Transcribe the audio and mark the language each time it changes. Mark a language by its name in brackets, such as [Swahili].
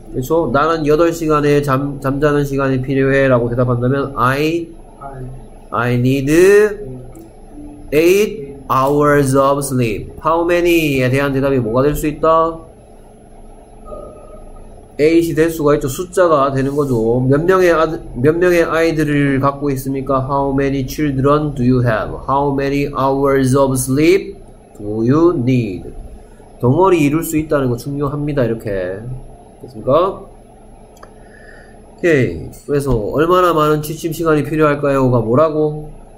[Korean] 그렇죠? 나는 8시간의 잠자는 시간이 필요해 라고 대답한다면 [English] I need 8 hours of sleep. [Korean] how many에 대한 대답이 뭐가 될 수 있다? 8이 될 수가 있죠. 숫자가 되는 거죠. 몇 명의 아이들을 갖고 있습니까? [English] How many children do you have? How many hours of sleep do you need? [Korean] 덩어리 이룰 수 있다는 거 중요합니다. 이렇게. 됐습니까? 오케이. 그래서 얼마나 많은 취침 시간이 필요할까요?가 뭐라고?